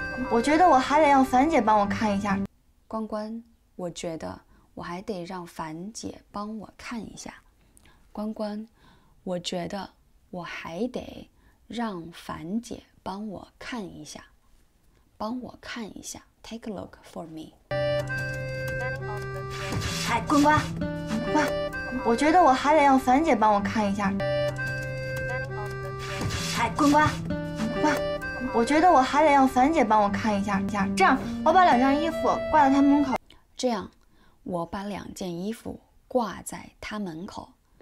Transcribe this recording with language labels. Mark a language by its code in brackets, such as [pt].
[zh] 我觉得我还得让樊姐帮我看一下。关关，我觉得我还得让樊姐帮我看一下。关关，我觉得我还得让樊姐帮我看一下。帮我看一下 ， [en] take a look for me。 [zh] 哎，关关，我觉得我还得让樊姐帮我看一下。哎，关关。我觉得我还得让樊姐帮我看一下，这样我把两件衣服挂在他门口。这样，我把两件衣服挂在他门口。